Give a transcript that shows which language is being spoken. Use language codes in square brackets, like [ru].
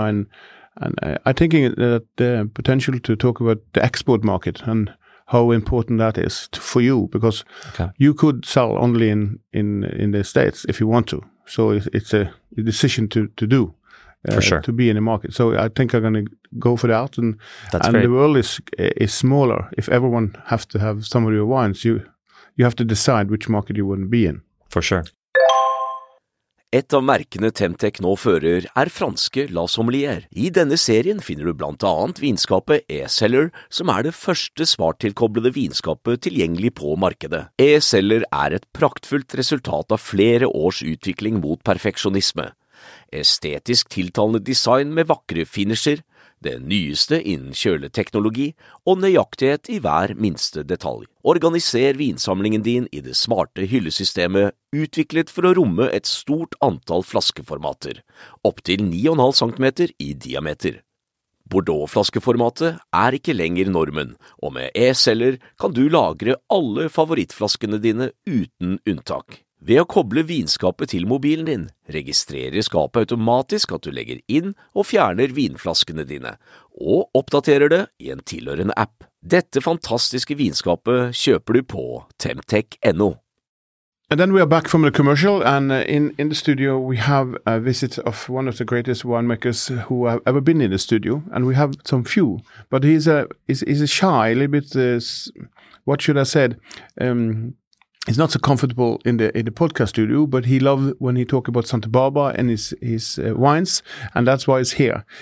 [en] And I'm thinking that the potential to talk about the export market and how important that is for you, because you could sell only in the States if you want to. So it's a decision to do, for sure, to be in the market. So I think I'm going to go for that. And that's and great. The world is smaller. If everyone has to have some of your wines, you have to decide which market you want to be in. For sure. [no] Et av merkene Temtec nå fører franske La Sommelier. I denne serien finner du blant annet vinskapet E-Seller, som det første smarttilkoblede vinskapet tilgjengelig på markedet. E-Seller et praktfullt resultat av flere års utvikling mot perfeksjonisme. Estetisk tiltalende design med vakre finisher, det nyeste innen kjøleteknologi og nøyaktighet i hver minste detalj. Organiser vinsamlingen din i det smarte hyllesystemet, utviklet for å romme et stort antall flaskeformater, opp til 9,5 cm i diameter. Bordeaux-flaskeformatet ikke lenger normen, og med e-celler kan du lagre alle favorittflaskene dine uten unntak. Ved å koble vinskapet til mobilen din, registrerer skapet automatisk at du legger inn og fjerner vinflaskene dine, og oppdaterer det i en tilhørende app. Dette fantastiske vinskapet kjøper du på temtech.no. [en] And then we are back from the commercial, and in the studio we have a visit of one of the greatest winemakers who have ever been in the studio, and we have some few, but he's a shy, a little bit, what should I say, he's not so comfortable in the podcast studio, but he loves when he talks about Santa Barbara and his wines, and that's why he's here.